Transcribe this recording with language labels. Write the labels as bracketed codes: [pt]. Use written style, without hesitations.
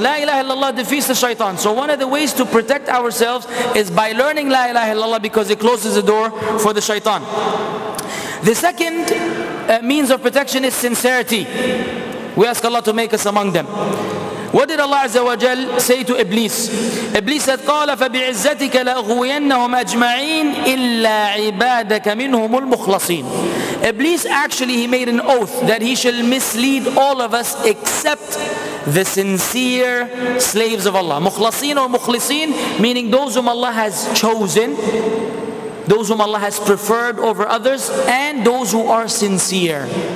[en] La ilaha illallah defeats the shaitan. So one of the ways to protect ourselves is by learning La ilaha illallah, because it closes the door for the shaitan. The second means of protection is sincerity. We ask Allah to make us among them. What did Allah Azza wa Jal say to Iblis? Iblis said, [ar] قَالَ فَبِعِزَّتِكَ لَأَغْوِيَنَّهُمْ أَجْمَعِينَ إِلَّا عِبَادَكَ مِنْهُمُ الْمُخْلَصِينَ. [en] Iblis actually, he made an oath that he shall mislead all of us except the sincere slaves of Allah. مُخْلَصِين or مُخْلِصِين, meaning those whom Allah has chosen, those whom Allah has preferred over others, and those who are sincere.